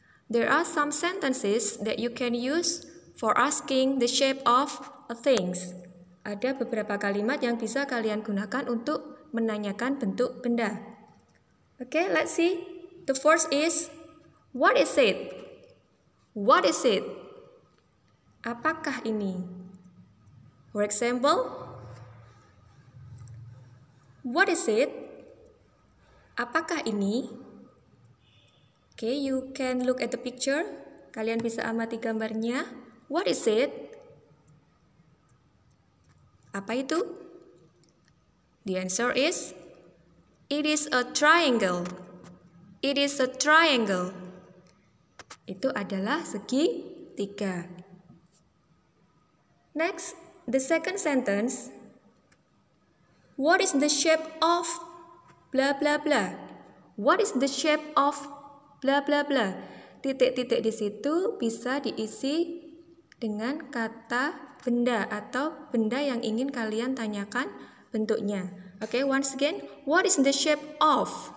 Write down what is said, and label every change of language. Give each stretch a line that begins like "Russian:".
English: There are some sentences that you can use for asking the shape of things.
Indonesian: Ada beberapa kalimat yang bisa kalian gunakan untuk menanyakan bentuk benda.
English: Okay, let's see. The first is, what is it? What is it?
Indonesian: Apakah ini?
English: For example, what is it?
Indonesian: Apakah ini?
English: Okay, you can look at the picture.
Indonesian: Kalian bisa amati gambarnya.
English: What is it?
Indonesian: Apa itu?
English: The answer is, it is a triangle. It is a triangle.
Indonesian: Itu adalah segi tiga.
English: Next, the second sentence. What is the shape of blah blah blah? What is the shape of blah blah blah?
Indonesian: Titik-titik di situ bisa diisi dengan kata benda atau benda yang ingin kalian tanyakan bentuknya.
English: Okay, once again, what is the shape of?